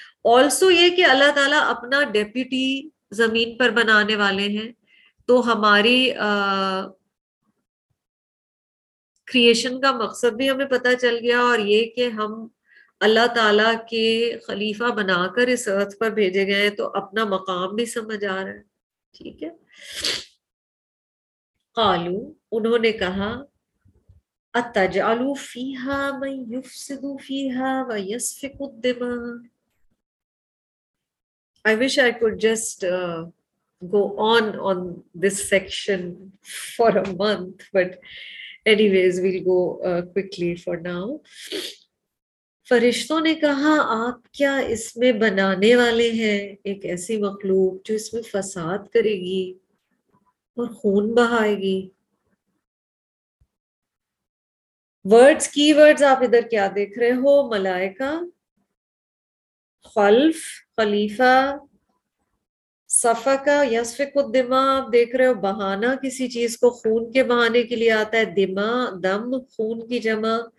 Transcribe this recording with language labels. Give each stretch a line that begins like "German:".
Urdu: Also یہ کہ اللہ تعالیٰ اپنا ڈیپٹی زمین پر بنانے والے ہیں، تو ہماری کریشن کا مقصد بھی ہمیں پتہ چل گیا، اور یہ کہ ہم اللہ تعالیٰ کے خلیفہ بنا کر اس ارتھ پر بھیجے گئے ہیں، تو اپنا مقام بھی سمجھ آ رہا ہے، ٹھیک ہے.
Arabic: قالو،
Urdu: انہوں نے کہا،
Arabic: اتجعل فیہا من یفسد فیہا ویسفک الدماء.
English: I wish I could just go on this section for a month, but anyways, we'll go quickly for now.
Urdu: فرشتوں نے کہا، آپ کیا اس میں بنانے والے ہیں ایک ایسی مخلوق جو اس میں فساد کرے گی اور خون بہائے گی. ورڈز، کی ورڈز آپ ادھر کیا دیکھ رہے ہو؟ ملائکہ، خلف، خلیفہ، صفقہ، یسفک الدماء آپ دیکھ رہے ہو، بہانہ کسی چیز کو خون کے بہانے کے لیے آتا ہے، دماء، دم، خون کی جمع.